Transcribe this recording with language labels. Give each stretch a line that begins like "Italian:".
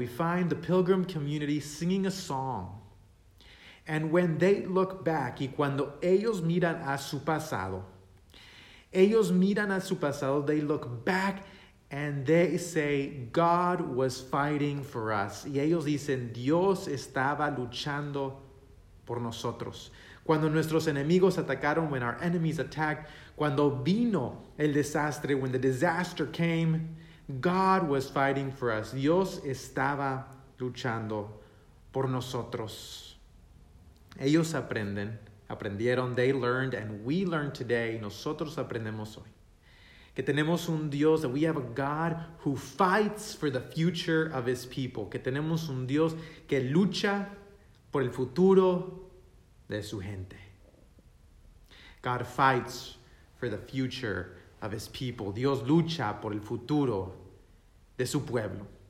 English: We find the pilgrim community singing a song. And when they look back,
Spanish: y cuando ellos miran a su pasado,
English: they look back and they say, God was fighting for us.
Spanish: Y ellos dicen, Dios estaba luchando por nosotros. Cuando nuestros enemigos atacaron,
English: when our enemies attacked,
Spanish: cuando vino el desastre,
English: when the disaster came, God was fighting for us.
Spanish: Dios estaba luchando por nosotros. Ellos aprendieron,
English: they learned, and we learn today,
Spanish: nosotros aprendemos hoy, Que tenemos un Dios,
English: that we have a God who fights for the future of his people.
Spanish: Que tenemos un Dios que lucha por el futuro de su gente.
English: God fights for the future of his people.
Spanish: Dios lucha por el futuro de su pueblo.